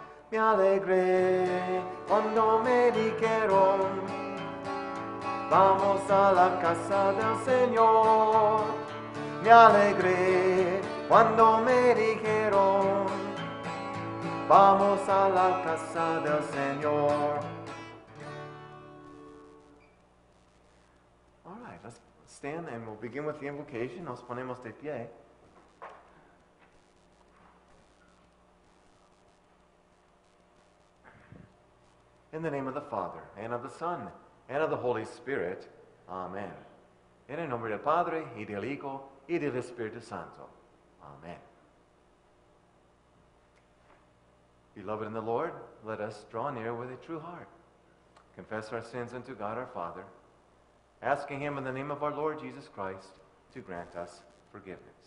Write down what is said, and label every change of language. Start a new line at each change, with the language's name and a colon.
Spanish: Me alegré cuando me dijeron, vamos a la casa del Señor. Me alegré cuando me dijeron, vamos a la casa del Señor.
English: All right, let's stand and we'll begin with the invocation.
Spanish: Nos ponemos de pie.
English: In the name of the Father, and of the Son, and of the Holy Spirit. Amen.
Spanish: En el nombre del Padre, y del Hijo, y del Espíritu Santo. Amen.
English: Beloved in the Lord, let us draw near with a true heart. Confess our sins unto God our Father, asking Him in the name of our Lord Jesus Christ to grant us forgiveness.